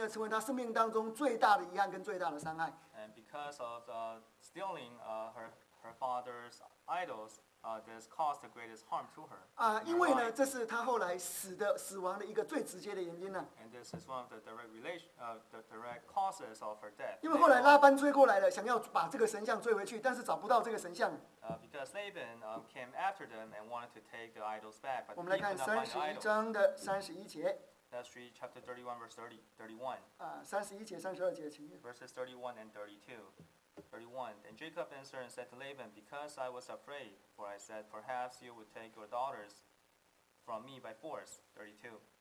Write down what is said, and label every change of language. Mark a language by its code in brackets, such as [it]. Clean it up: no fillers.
[zh] 啊，这件偷这个东西呢，成为他生命当中最大的遗憾跟最大的伤害。 [en] And because of stealing her father's idols, this caused the greatest harm to her. [zh] 啊，因为呢，这是他后来死的死亡的一个最直接的原因呢。 [en] And this is one of the direct relation, the direct causes of her death. [zh] 因为后来拉班追过来了，想要把这个神像追回去，但是找不到这个神像。 [en] Because Laban came after them and wanted to take the idols back, but [zh] 我们来看31章的31节。 [en] Let's read chapter 31, verse 31. [zh] 31节、32节，请念。 [en] Verses 31 and 32. 31. Then Jacob answered and said to Laban, "Because I was afraid, for I said, 'Perhaps you would take your daughters from me by force.'" 32.